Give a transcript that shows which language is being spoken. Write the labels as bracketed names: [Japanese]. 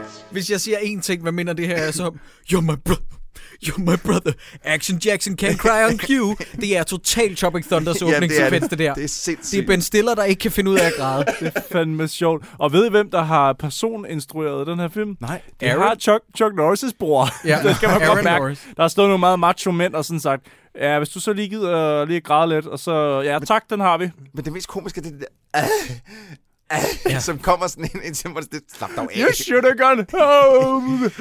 [Danish] Hvis jeg siger én ting, hvad minder det her er som? [English] You're my bro. You're my brother. Action Jackson can't cry on cue. [Danish] Det er totalt Tropic Thunders åbningssekvens, det der. Det er sindssygt. Det er Ben Stiller, der ikke kan finde ud af at græde. Det er fandme sjovt. Og ved I, hvem der har personinstrueret den her film? Nej. Det har Chuck Norris' bror. Ja. Det skal man godt mærke. Der har stået nogle meget macho mænd og sådan sagt, ja, hvis du så lige gider lige at græde lidt, og så, ja, men, tak, den har vi. Men det mest komiske, det er det ja. Som kommer sådan ind til mig, det slap dog af. [English] You should have gone home.